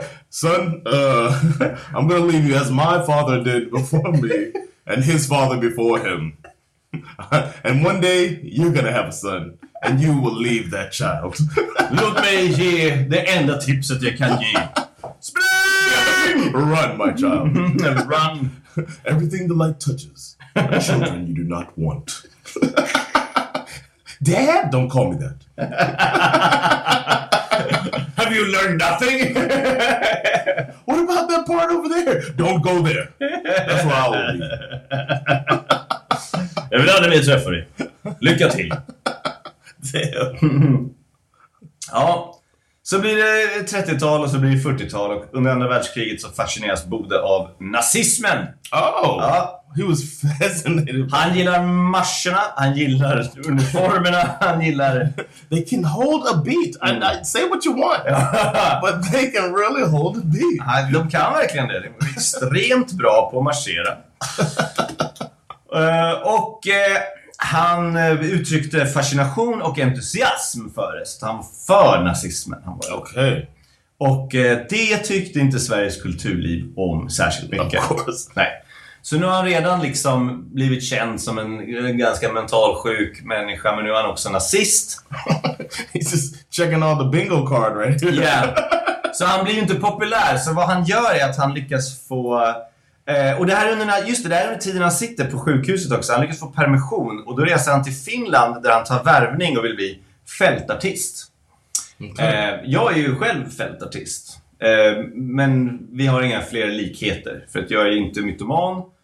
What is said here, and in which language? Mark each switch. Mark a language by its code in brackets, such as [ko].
[en] Son, I'm gonna leave you as my father did before me, and his father before him. And one day, you're gonna have a son, and you will leave that child. [sv] Låt mig ge det enda tipset jag kan ge. Spring! [en] Run, my child. And run. Everything the light touches, are children you do not want. Dad, don't call me that. Have you learned nothing? What about that part over there? Don't go there. That's where I will be. [sv] Jag vill aldrig mer träffa dig. Lycka till. Ja, så blir det 30-tal och så blir det 40-tal. Och under andra världskriget så fascineras Bode av nazismen. Oh, ja. [en] He was fascinated. [sv] Han gillar marscherna, han gillar uniformerna, han gillar... [en] They can hold a beat. I say what you want, but they can really hold a beat. [sv] Han, de kan verkligen det. De är extremt bra på att marschera. Och han uttryckte fascination och entusiasm för det. Så han var för nazismen. Han var okej. Okay. Och det tyckte inte Sveriges kulturliv om särskilt mycket. [en] Of course. [sv] Nej. Så nu har han redan liksom blivit känd som en ganska mentalsjuk människa, men nu är han också nazist. [en] He's just checking all the bingo card, right? Yeah. [sv] Så han blir ju inte populär, så vad han gör är att han lyckas få... och det här under, just det, det här under tiden han sitter på sjukhuset också, han lyckas få permission. Och då reser han till Finland där han tar värvning och vill bli fältartist. Okay. Jag är ju själv fältartist. Men vi har inga fler likheter, för att jag är inte mytoman.